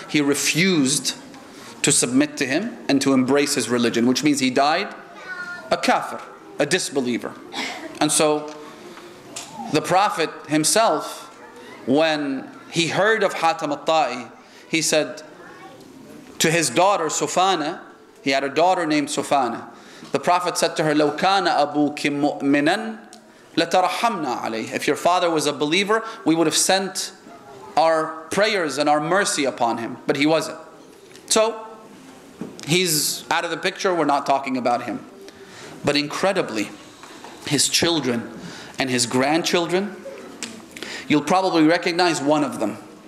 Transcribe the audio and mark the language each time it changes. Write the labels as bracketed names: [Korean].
[English] He refused to submit to him and to embrace his religion, which means he died a kafir, a disbeliever. And so the Prophet himself, when he heard of Hatim al-Ta'i, he said to his daughter Sufana, he had a daughter named Sufana. The Prophet said to her, [Arabic] لو كان أبوك مؤمنا لترحمنا عليه. [English] If your father was a believer, we would have sent our prayers and our mercy upon him. But he wasn't. So, he's out of the picture. We're not talking about him. But incredibly, his children and his grandchildren, you'll probably recognize one of them.